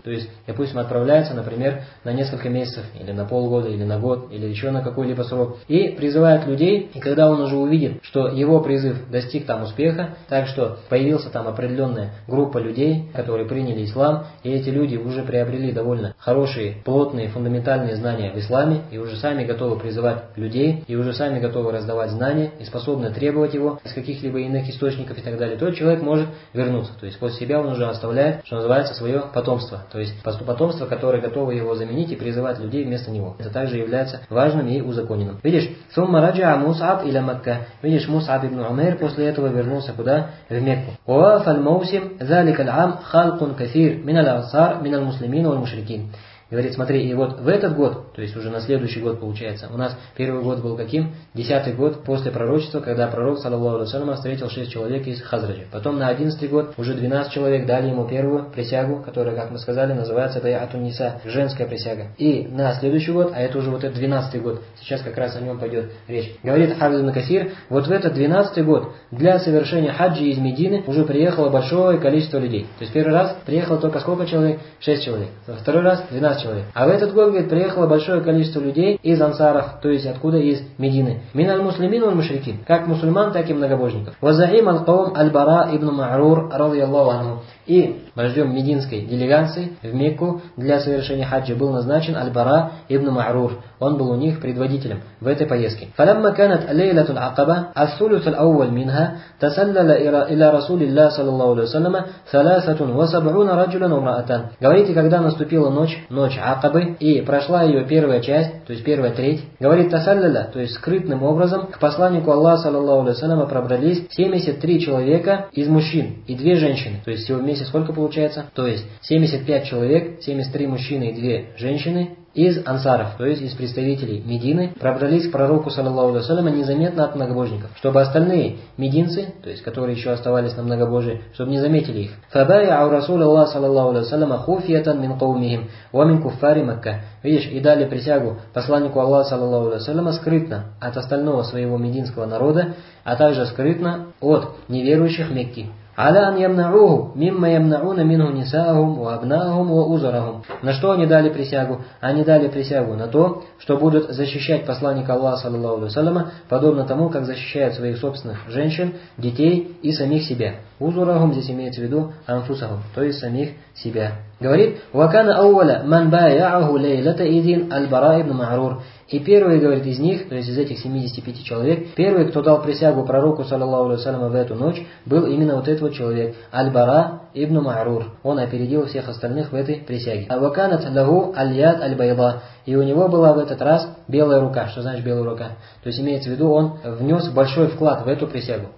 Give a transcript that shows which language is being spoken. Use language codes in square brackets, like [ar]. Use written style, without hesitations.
[ru] То есть, допустим, отправляется, например, на несколько месяцев, или на полгода, или на год, или еще на какой-либо срок, и призывает людей, и когда он уже увидит, что его призыв достиг там успеха, так что появился там определенная группа людей, которые приняли ислам, и эти люди уже приобрели довольно хорошие, плотные, фундаментальные знания в исламе, и уже сами готовы призывать людей, и уже сами готовы раздавать знания, и способны требовать его из каких-либо иных источников и так далее, то человек может вернуться. То есть после себя он уже оставляет, что называется, свое потомство. То есть потомство, которое готово его заменить и призывать людей вместо него. Это также является важным и узаконенным. Видишь, [ar] ثم رجع مصعب الى مكة. [ru] Видишь, Мус'аб ибн Умейр после этого вернулся куда? В Мекку. [ar] وواف الموسم ذلك العام خلق كثير من الأنصار من المسلمين والمشركين. [ru] Говорит, смотри, и вот в этот год, то есть уже на следующий год получается, у нас первый год был каким? 10-й год после пророчества, когда пророк, саллаллаху алейхи ва саллям, встретил 6 человек из Хазраджа. Потом на 11-й год уже 12 человек дали ему первую присягу, которая, как мы сказали, называется Бай'ату Ниса, женская присяга. И на следующий год, а это уже вот этот 12-й год, сейчас как раз о нем пойдет речь, говорит Хафиз ибн Касир, вот в этот 12-й год для совершения хаджи из Медины уже приехало большое количество людей. То есть первый раз приехало только сколько человек? 6 человек. Второй раз 12 человек. А в этот год, говорит, приехало большое количество людей из ансаров, то есть откуда? Из Медины. [ar] Мин аль-муслимин валь-мушрикин, [ru] как мусульман, так и многобожников. [ar] Ва-захим аль-каум аль-бара ибн Ма'рур, радийаллаху анху. И [ru] вождем мединской делегации в Мекку для совершения хаджа был назначен Аль-Бара ибн Маърур. Он был у них предводителем в этой поездке. [ar] فلما كانت ليلة العقبة الثلث الأول منها تسلل إلى رسول الله صلى الله عليه وسلم 73 رجلا ومرأتان. [ru] Говорит, когда наступила ночь Акабы и прошла ее первая часть, то есть первая треть, говорит, تسلل, то есть скрытным образом к посланнику Аллаха [ar] صلى الله عليه وسلم [ru] пробрались 73 человека из мужчин и 2 женщины. То есть всего вместе сколько получается? То есть 75 человек, 73 мужчины и 2 женщины. Из ансаров, то есть из представителей Медины, пробрались к пророку, саллаллаху алейхи ва саллям, незаметно от многобожников, чтобы остальные мединцы, то есть которые еще оставались на многобожии, чтобы не заметили их. [ar] فَبَايَعُوا رَسُولَ اللَّهِ [ru] саллаллаху алейхи ва саллям [ar] خُفْيَةً مِنْ قَوْمِهِمْ وَمِنْ كُفَّارِ مَكَّةِ. [ru] Видишь, и дали присягу посланнику Аллаха, саллаллаху алейхи ва саллям, скрытно от остального своего мединского народа, а также скрытно от неверующих Мекки. [ar] على أن يمنعوه مما يمنعون منه نساءهم وأبناءهم وأزرهم. [ru] На что они дали присягу? Они дали присягу на то, что будут защищать посланника Аллаха саллаллаху алейхи ва саллям, подобно тому, как защищают своих собственных женщин, детей и самих себя. Узурахум здесь имеется в виду анфусахум, то есть самих себя. Говорит: [ar] وكان أول من بايعه ليلة إذن البراء بن معرور. [ru] И первый, говорит, из них, то есть из этих 75 человек, первый, кто дал присягу пророку, саллаллаху алейхи ва саллям, в эту ночь, был именно вот этот человек, Аль-Бара ибн Маърур. Он опередил всех остальных в этой присяге. [ar] «Ваканат лаху аль-яд аль-байда». [ru] И у него была в этот раз белая рука. Что значит белая рука? То есть имеется в виду, он внес большой вклад в эту присягу.